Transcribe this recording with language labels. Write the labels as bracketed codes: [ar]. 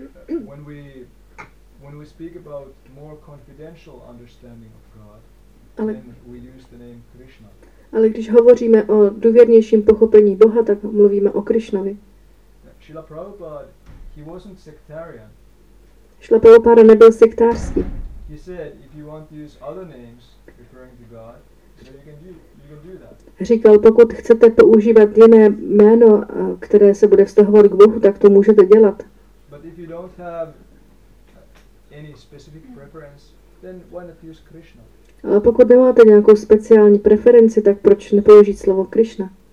[en] But when we speak about more confidential understanding of God, ale, then we use the name Krishna. [cs] Ale když hovoříme o důvěrnějším pochopení Boha, tak mluvíme o Krishnovi. [en] Srila Prabhupada, he wasn't sectarian. [cs] Srila Prabhupada nebyl sektářský. [en] He said, if you want to use other names referring to God, then you can do that. [cs] Říkal, pokud chcete používat jiné jméno, které se bude vztahovat k Bohu, tak to můžete dělat. [en] But if you don't have any specific preference, then why not use Krishna? [cs] Ale pokud nemáte nějakou speciální preferenci, tak proč nepoužít slovo Krishna?